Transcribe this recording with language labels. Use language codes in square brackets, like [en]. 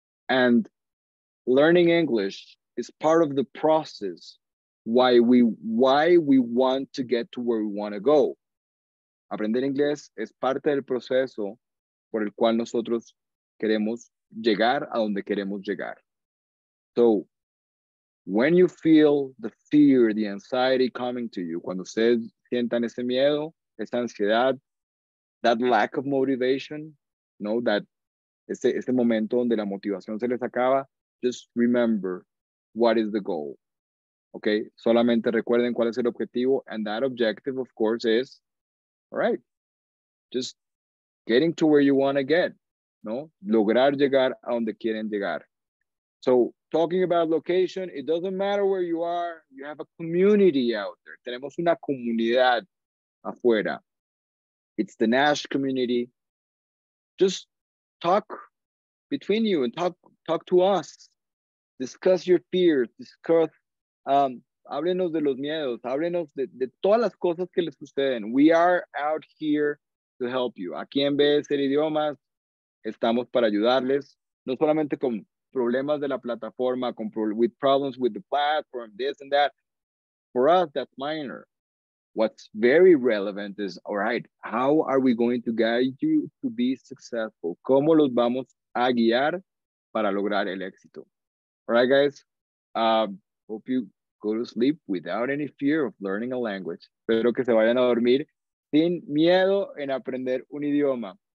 [en] And learning English is part of the process why we want to get to where we want to go. [es] Aprender inglés es parte del proceso por el cual nosotros queremos llegar a donde queremos llegar. [en] So, when you feel the fear, the anxiety coming to you, [es] cuando ustedes sientan ese miedo, esa ansiedad, [en] that lack of motivation, no, that [es] ese momento donde la motivación se les acaba, [en] just remember what is the goal. Okay, [es] solamente recuerden cuál es el objetivo, [en] and that objective, of course, is, all right, just getting to where you want to get, no? [es] Lograr llegar a donde quieren llegar. [en] So talking about location, it doesn't matter where you are. You have a community out there. [es] Tenemos una comunidad afuera. [en] It's the Nash community. Just talk between you and talk to us. Discuss your fears. Discuss. [es] Háblenos de los miedos, háblenos de todas las cosas que les suceden. [en] We are out here to help you. [es] Aquí en BSL Idiomas estamos para ayudarles, no solamente con problemas de la plataforma, con [en] with problems with the platform, this and that. For us, that's minor. What's very relevant is, all right, how are we going to guide you to be successful? [es] ¿Cómo los vamos a guiar para lograr el éxito? [en] All right, guys, hope you go to sleep without any fear of learning a language. [es] Espero que se vayan a dormir sin miedo en aprender un idioma.